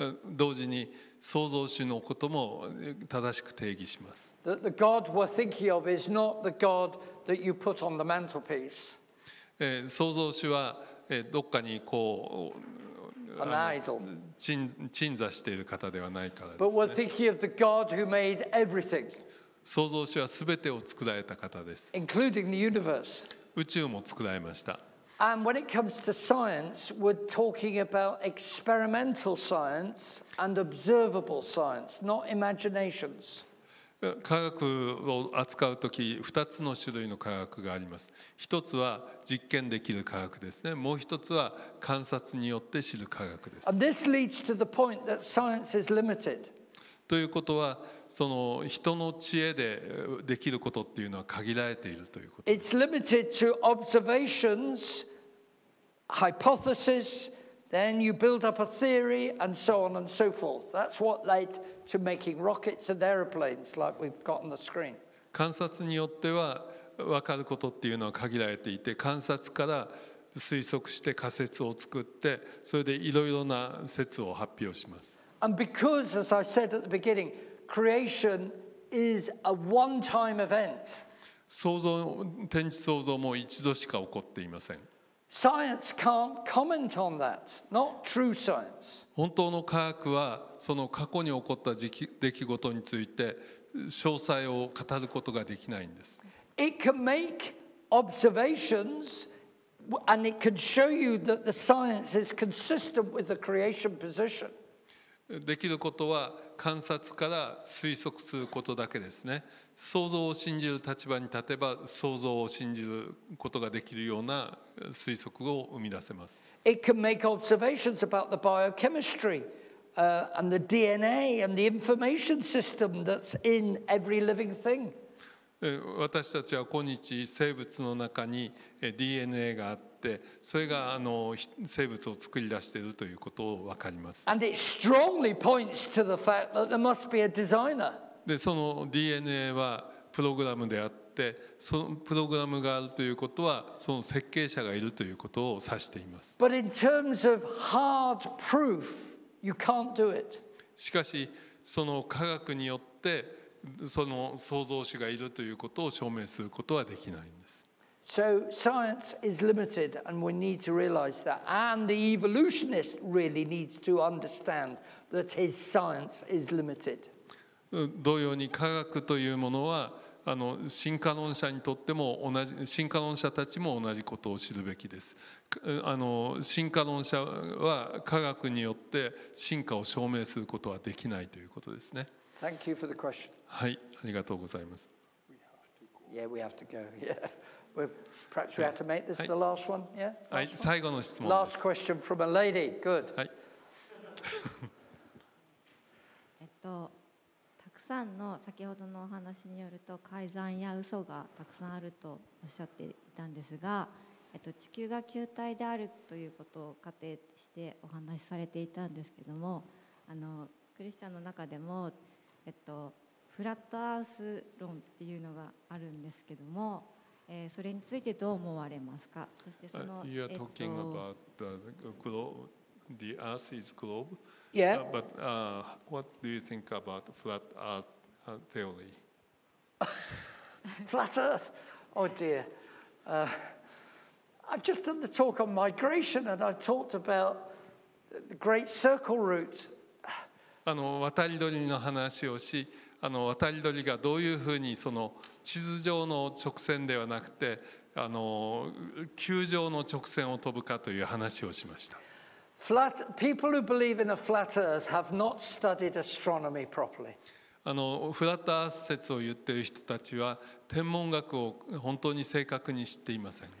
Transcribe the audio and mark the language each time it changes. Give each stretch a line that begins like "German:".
Japanese: 同時に創造主のことも正しく定義します。
English: That the God we're thinking of is not the God that you put on the mantelpiece.
Japanese: 創造主はどっかにこう
English: An idol.
Japanese: 鎮座している方ではないからですね。
English: But we're thinking of the God who made everything.
Japanese: 創造主はすべてを作られた方です。
English: Including the universe.
Japanese: 宇宙も作られました。
English: And when it comes to science, we're talking about experimental science and observable science, not imaginations.
Japanese: 科学を扱うとき、二つの種類の科学があります。一つは実験できる科学ですね。もう一つは観察によって知る科学です。
English: And this leads to the point that science is limited.
Japanese: ということは、その人の知恵でできることっていうのは限られているということです。
English: It's limited to observations. Hypothesis, then you build up a theory, and so on and so forth. That's what led to making rockets and aeroplanes, like we've got on the screen.
Japanese: 観察によっては分かることっていうのは限られていて、観察から推測して仮説を作って、それでいろいろな説を発表します。
English: And because, as I said at the beginning, creation is a one-time event.
Japanese: 創造、天地創造も一度しか起こっていません。
English: Science can't comment on that. Not true science.
Japanese: 本当の科学はその過去に起こった出来事について詳細を語ることができないんです。
English: It can make observations, and it can show you that the science is consistent with the creation position.
Japanese: できることは観察から推測することだけですね。想像を信じる立場に立てば想像を信じることができるような推測を生み出せます。
English: It can make observations about the biochemistry, and the DNA and the information system that's in every living thing.
Japanese: 私たちは今日生物の中に DNA があって、それがあの生物を作り出しているということをわかります。
English: And it strongly points to the fact that there must be a designer.
Japanese: でその DNA はプログラムであって、そのプログラムがあるということは、その設計者がいるということを指しています。
English: But in terms of hard proof, you can't do it.
Japanese: しかし、その科学によって、その創造主がいるということを証明することはできないんです。
English: So science is limited, and we need to realize that. And the evolutionist really needs to understand that his science is limited.
Japanese: 同様に科学というものはあの進化論者にとっても同じ進化論者たちも同じことを知るべきです。あの進化論者は科学によって進化を証明することはできないということですね。
English: Thank you for the question.
Japanese: はい、ありがとうございます。
English: Yeah, we have to go. Yeah, we perhaps we have to make this the last one. Yeah.
Japanese: はい、最後の質問です。
English: Last question from a lady. Good.
Japanese: はい。たくさんの先ほどのお話によると改ざんや嘘がたくさんあるとおっしゃっていたんですが、地球が球体であるということを仮定してお話しされていたんですけども、あのクリスチャンの中でも、フラットアース論っていうのがあるんですけども、それについてどう思われますか。そしてその、
English: You are talking about the globe. The earth is globe Yeah. But what do you think about flat earth theory? Flat earth? Oh dear. I've just done the talk on migration and I talked about the great circle route.
Japanese: あの渡り鳥の話をし、あの渡り鳥がどういうふうにその地図上の直線ではなくて、あの球状の直線を飛ぶかという話をしました。
English: Flat people who believe in a flat earth have not studied astronomy properly.
Japanese: あのフラットアース説を言っている人たちは天文学を本当に正確に知っていません。